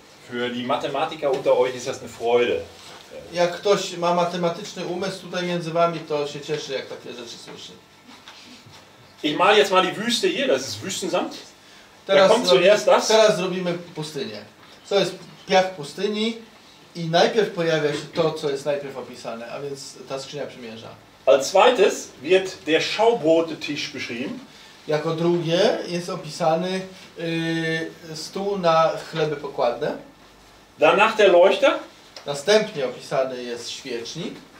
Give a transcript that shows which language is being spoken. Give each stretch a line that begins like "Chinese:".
German: Für die Mathematiker unter euch ist das eine Freude.
Polish: Jak ktoś ma matematyczny umysł tutaj między wami, to się cieszy, jak takie rzeczy słyszy.
German: Ich mal jetzt mal die Wüste hier, das ist Wüstensand.
Polish: Teraz, teraz zrobimy pustynię. Co jest piach pustyni? I najpierw pojawia się to, co jest najpierw opisane, a więc ta skrzynia przymierza.
German: Als zweites wird der Schaubrotetisch beschrieben.
Polish: Jako drugie jest opisany stół na chleby pokładne.
German: Danach der Leuchter.
Polish: Następnie opisany jest świecznik.